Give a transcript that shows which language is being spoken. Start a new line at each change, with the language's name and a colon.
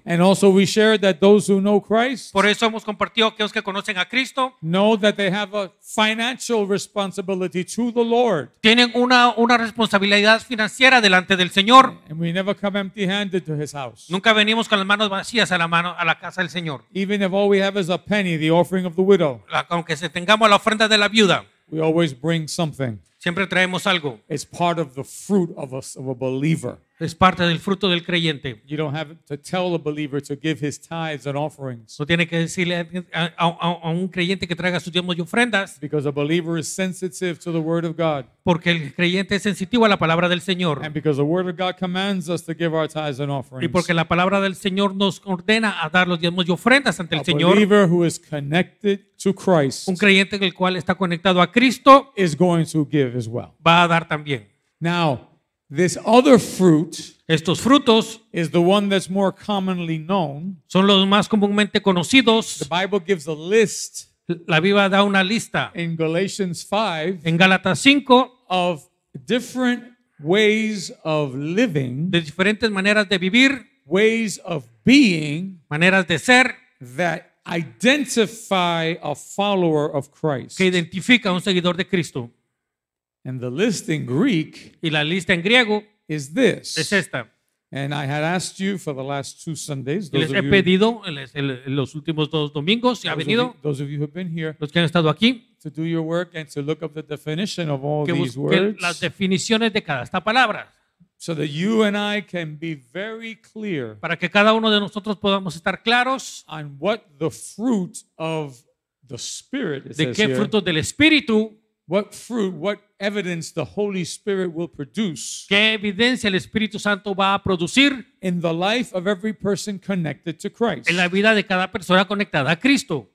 English: And also we share that those who know Christ.
Spanish: Por eso hemos compartido aquellos que conocen a Cristo.
English: Know that they have a financial responsibility to the Lord.
Spanish: Tienen una responsabilidad financiera delante del Señor.
English: And we never come empty-handed to His house.
Spanish: Nunca venimos con las manos vacías a la casa del Señor.
English: Even if all we have is a penny, the offering of the widow.
Spanish: Aunque se tengamos la ofrenda de la viuda.
English: We always bring something.
Spanish: Siempre traemos algo.
English: It's part of the fruit of us of a believer.
Spanish: Es parte del fruto del creyente.
English: You don't have to tell a believer to give his tithes and offerings.
Spanish: No tiene que decirle a un creyente que traiga sus diezmos y ofrendas.
English: Because a believer is sensitive to the word of God.
Spanish: Porque el creyente es sensitivo a la palabra del Señor.
English: And because the word of God commands us to give our tithes and offerings.
Spanish: Y porque la palabra del Señor nos ordena a dar los diezmos y ofrendas ante el Señor.
English: A believer who is connected to Christ.
Spanish: Un creyente el cual está conectado a Cristo.
English: Is going to give as well.
Spanish: Va a dar también.
English: Now. This other fruit,
Spanish: estos frutos,
English: is the one that's more commonly known.
Spanish: Son los más comúnmente conocidos.
English: The Bible gives a list.
Spanish: La Biblia da una lista.
English: In Galatians 5,
Spanish: en Gálatas 5,
English: of different ways of living,
Spanish: de diferentes maneras de vivir,
English: ways of being,
Spanish: maneras de ser,
English: that identify a follower of Christ.
Spanish: Que identifica a un seguidor de Cristo.
English: And the list in Greek,
Spanish: y la lista en griego,
English: is this.
Spanish: Es esta.
English: And I had asked you for the last two Sundays.
Spanish: Les he pedido en los últimos dos domingos, si ha venido.
English: Those of you who have been here,
Spanish: los que han estado aquí,
English: to do your work and to look up the definition of all these words.
Spanish: Las definiciones de cada esta palabra.
English: So that you and I can be very clear.
Spanish: Para que cada uno de nosotros podamos estar claros.
English: On what the fruit of the Spirit is.
Spanish: De qué fruto del Espíritu.
English: What fruit, what evidence the Holy Spirit will produce?
Spanish: ¿Qué evidencia el Espíritu Santo va a producir?
English: In the life of every person connected to Christ.
Spanish: En la vida de cada persona conectada a Cristo.